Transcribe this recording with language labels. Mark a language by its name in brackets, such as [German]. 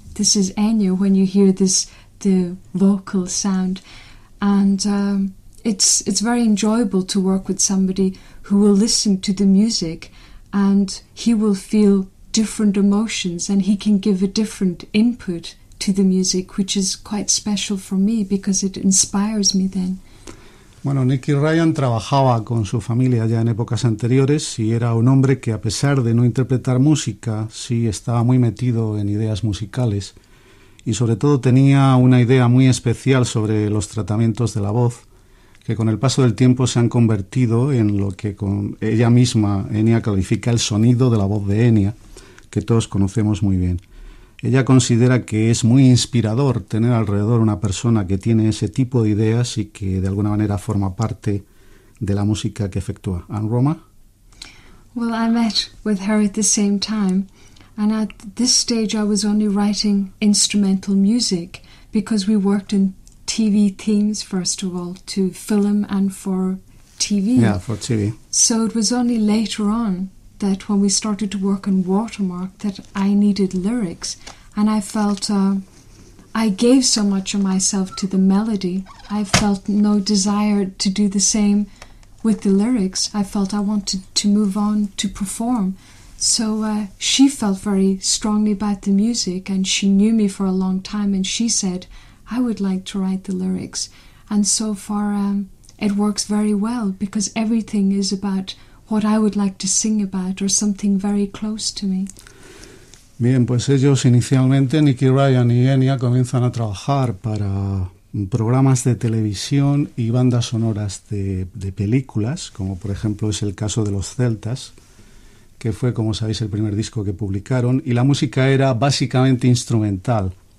[English] This is Enya when you hear this, the vocal sound, and it's very enjoyable to work with somebody who will listen to the music, and he will feel different emotions, and he can give a different input to the music, which is quite special for me because it inspires me then. [Spanish] Bueno, Nicky Ryan trabajaba con su familia ya en épocas anteriores y era un hombre que, a pesar de no interpretar música, sí estaba muy metido en ideas musicales y, sobre todo, tenía una idea muy especial sobre los tratamientos de la voz, que con el paso del tiempo se han convertido en lo que con ella misma Enya califica el sonido de la voz de Enya, que todos conocemos muy bien. Ella considera que es muy inspirador tener alrededor una persona que tiene ese tipo de ideas y que de alguna manera forma parte de la música que efectúa. ¿En Roma? [English] Well, I met with her at the same time, and at this stage I was only writing instrumental music because we worked in TV themes, first of all, to film and for TV. Yeah, for TV. So it was only later on that when we started to work on Watermark that I needed lyrics, and I felt I gave so much of myself to the melody, I felt no desire to do the same with the lyrics. I felt I wanted to move on to perform. So she felt very strongly about the music, and she knew me for a long time, and she said, I would like to write the lyrics. And so far, it works very well because everything is about what I would like to sing about or something very close to me. [Spanish] Bien, pues ellos inicialmente, Nicky Ryan y Enya, comienzan a trabajar para programas de televisión y bandas sonoras de películas, como por ejemplo es el caso de Los Celtas, que fue, como sabéis, el primer disco que publicaron, y la música era básicamente instrumental.